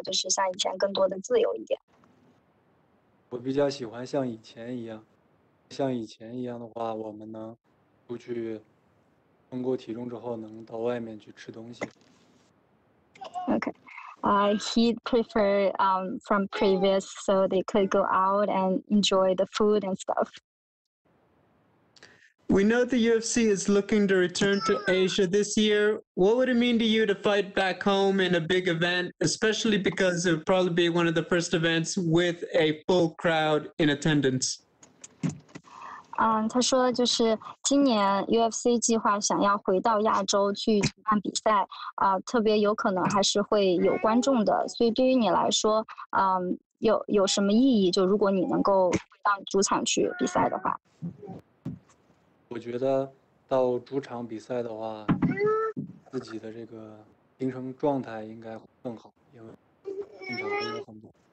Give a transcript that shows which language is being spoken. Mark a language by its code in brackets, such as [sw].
[zh] 他说就是你会更喜欢这样子更安静一些，还是说你想要就是像以前更多的自由一点？我比较喜欢像以前一样，像以前一样的话，我们能出去称过体重之后能到外面去吃东西。 [en] Okay. He preferred from previous, so they could go out and enjoy the food and stuff. We know the UFC is looking to return to Asia this year. What would it mean to you to fight back home in a big event, especially because it would probably be one of the first events with a full crowd in attendance? [zh] 他说就是今年 UFC 计划想要回到亚洲去举办比赛，特别有可能还是会有观众的，所以对于你来说，有什么意义？就如果你能够到主场去比赛的话，我觉得到主场比赛的话，自己的这个精神状态应该会更好，因为现场人很多。